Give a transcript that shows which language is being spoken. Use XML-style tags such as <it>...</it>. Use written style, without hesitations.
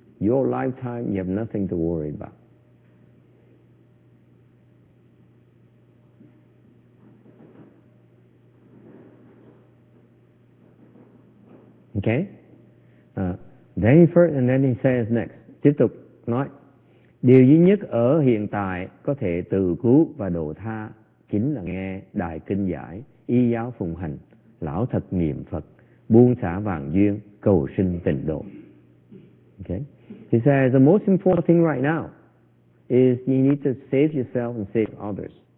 <en>Your lifetime, you have nothing to worry about. Okay, then he first, and then he says next.</en> <vi>Tiếp tục nói, Điều duy nhất ở hiện tại có thể từ cứu và độ tha chính là nghe đại kinh giải, y giáo phụng hành, lão thật niệm Phật, buông xả vạn duyên, cầu sinh tịnh độ.</vi> <en>Okay. He says the most important thing right now is you need to save yourself and save others.</en>